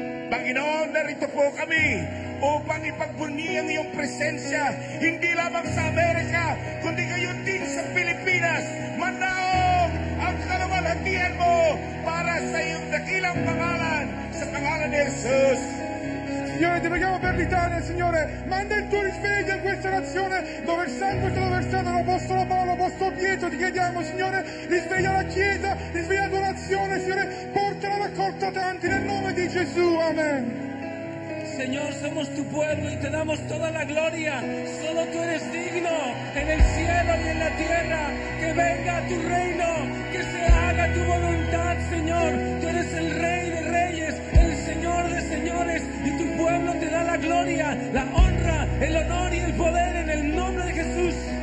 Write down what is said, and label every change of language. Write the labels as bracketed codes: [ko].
[tl] Panginoon, narito po kami upang ipagbunyi ang iyong presensya, hindi lamang sa Amerika, kundi kayo din sa Pilipinas. Manaong ang kalawalhatian mo para sa iyong dakilang pangalan, sa pangalan ni Jesus. [it] Signore, ti preghiamo per l'Italia, Signore, manda il tuo risveglio in questa nazione, dove il sangue te lo versano, lo apostolo Paolo, lo apostolo Pietro, ti chiediamo, Signore, risveglia la Chiesa, risveglia la tua nazione, Signore, porta la raccolta a tanti, nel nome di Gesù, amen. [es] Señor, somos tu pueblo y te damos toda la gloria. Solo tú eres digno en el cielo y en la tierra. Que venga tu reino, que se haga tu voluntad, Señor. Tú eres el Rey de Reyes, el Señor de Señores. Y tu pueblo te da la gloria, la honra, el honor y el poder en el nombre de Jesús.